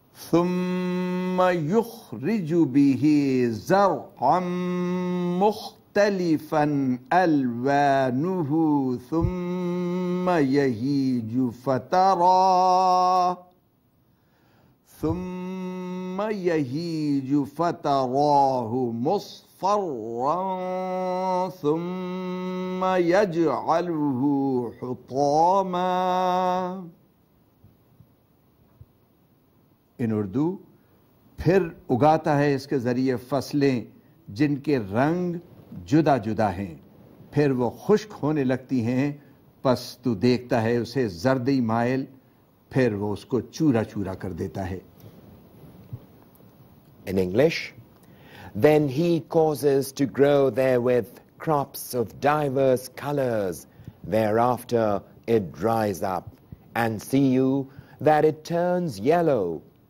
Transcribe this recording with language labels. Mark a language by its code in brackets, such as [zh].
[ar] ثم يخرج به زرعا مختلفا ألوانه ثم يهيج فتراه مصفرا ثم يجعله حطاما. [en] In Urdu, [ur] پھر اگاتا ہے اس کے ذریعے فصلیں جن کے رنگ جدا جدا ہیں پھر وہ خشک ہونے لگتی ہیں پس تو دیکھتا ہے اسے زردی مائل پھر وہ اس کو چورا چورا کر دیتا ہے. [en] In English, then he causes to grow therewith crops of diverse colors, thereafter it dries up and see you that it turns yellow.